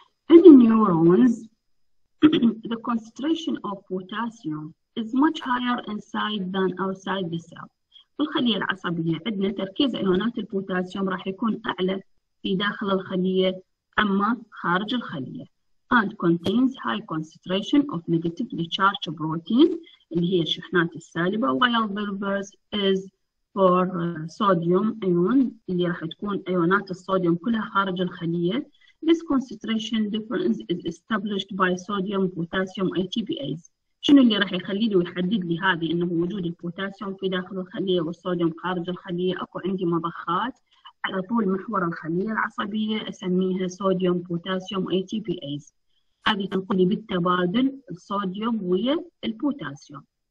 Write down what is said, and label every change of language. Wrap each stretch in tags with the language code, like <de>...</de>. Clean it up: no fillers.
<en>النيورونز the concentration of potassium is much higher inside than outside the cell.</en> <ar>في الخلية العصبية عندنا تركيز أيونات البوتاسيوم راح يكون أعلى في داخل الخلية أما خارج الخلية.</ar> <en>And contains high concentration of negatively charged protein</en> <ar>اللي هي الشحنات السالبة،</ar> <en>while the reverse is for sodium ion</en> <ar>اللي راح تكون ايونات الصوديوم كلها خارج الخلية.</ar> <en>This concentration difference is established by sodium potassium ATPase.</en> <ar>شنو اللي راح يخلي لي ويحدد لي هذه انه وجود البوتاسيوم في داخل الخلية والصوديوم خارج الخلية؟ اكو عندي مضخات على طول محور الخلية العصبية اسميها صوديوم بوتاسيوم ATPase. هذه تنقل لي بالتبادل الصوديوم ويا البوتاسيوم.</ar>